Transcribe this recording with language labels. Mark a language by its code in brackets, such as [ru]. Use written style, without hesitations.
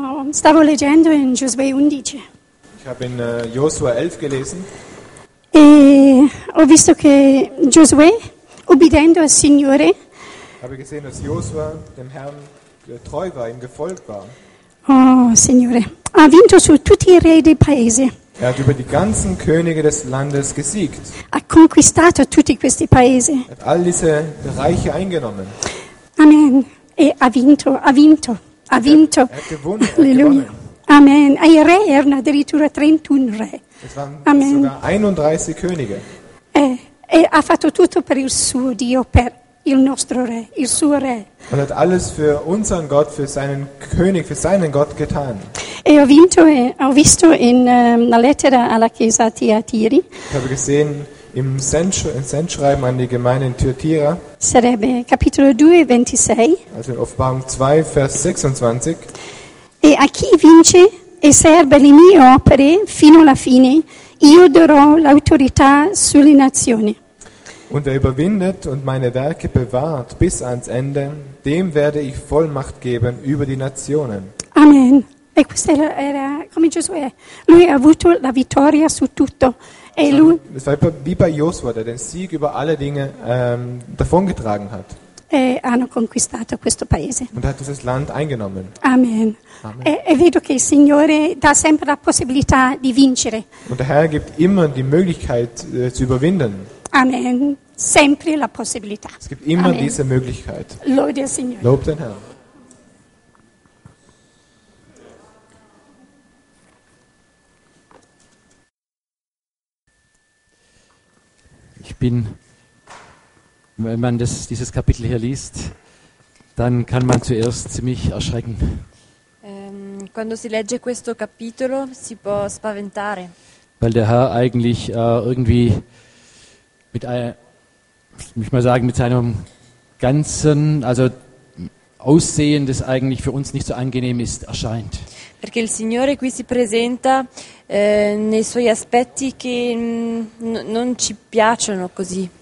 [it] Stavo leggendo in Giosuè 11. [de] Ich habe in Josua 11 gelesen. [it] E ho visto che Giosuè, obbedendo al Signore, [de] habe gesehen, dass Josua dem Herrn treu war, ihm gefolgt war. [it] Oh Signore, ha vinto su tutti i re del paese. [de] Er hat über die ganzen Könige des Landes gesiegt. [it] Ha conquistato tutti questi paesi. [de] Er hat all diese Bereiche eingenommen. [it] Amen. E ha vinto, ha vinto, ha vinto. [de] Er hat gewonnen. Alleluia. Amen. [it] E i re erano addirittura 31 re. [de] Es waren Amen. Sogar 31 Könige. [it] E ha fatto tutto per il suo Dio, per il nostro re, il suo re. [de] Und hat alles für unseren Gott, für seinen König, für seinen Gott getan. [it] E ho vinto, ho visto in una lettera alla chiesa a Tiatiri. [de] Ich habe gesehen im Sendschreiben an die Gemeinde in Thyatira. [it] Sarebbe capitolo 2, 26. [de] Also in Offenbarung 2, Vers 26. [it] E a chi vince e serve le mie opere fino alla fine, io darò l'autorità sulle nazioni. [de] Und wer überwindet und meine Werke bewahrt bis ans Ende, dem werde ich Vollmacht geben über die Nationen. Amen. [it] E questo era come Giosuè. Lui ha avuto la vittoria su tutto. E lui, [de] es war wie bei Josua, der den Sieg über alle Dinge davongetragen hat. [it] E hanno conquistato questo paese. [de] Und hat dieses Land eingenommen. Amen. Amen. [it] E vedo che il Signore dà sempre la possibilità di vincere. [de] Und der Herr gibt immer die Möglichkeit zu überwinden. [it] Amen. Sempre la possibilità. [de] Es gibt immer Amen. Diese Möglichkeit. [it] Lode il Signore. [de] Lob den Herrn. Ich bin, wenn man das, dieses Kapitel hier liest, dann kann man zuerst ziemlich erschrecken. [it] Quando si legge questo capitolo, si può spaventare. [de] Weil der Herr eigentlich irgendwie mit mich mal sagen, mit seinem ganzen, also Aussehen, das eigentlich für uns nicht so angenehm ist, erscheint. [it] Perché il Signore qui si presenta nei suoi aspetti che non ci piacciono così.